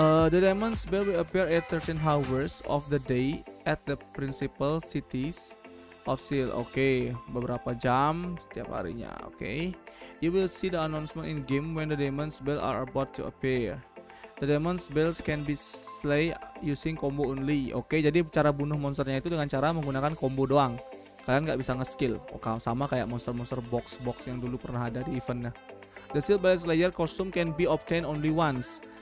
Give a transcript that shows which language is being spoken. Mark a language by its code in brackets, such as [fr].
[en] The Demon's Bell will appear at certain hours of the day at the principal cities of Seal. Oke, okay. [id] Beberapa jam setiap harinya. [en] Oke, okay. You will see the announcement in game when the Demon's Bell are about to appear. The demon's bells can be slay using combo only. [id] Okay, jadi cara bunuh monsternya itu dengan cara menggunakan combo doang. Kalian nggak bisa nge-skill. Oke, sama kayak monster-monster box-box yang dulu pernah ada di eventnya. [en] The Seal Ballet Slayer costume can be obtained only once.